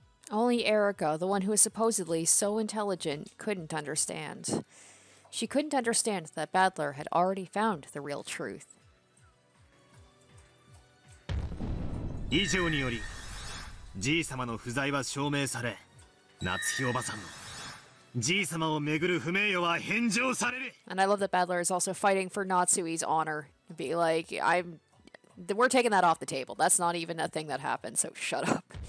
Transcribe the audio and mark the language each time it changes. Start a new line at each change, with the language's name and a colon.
English: Only Erica, the one who is supposedly so intelligent, couldn't understand. She couldn't understand that Badler had already found the real truth.
Japanese: 以上により、爺様の不在は証明され、夏日おばさんの爺様をめぐる不名誉は返上される。
English: And I love that Badler is also fighting for Natsui's honor. Be like, we're taking that off the table. That's not even a thing that happened, so shut up.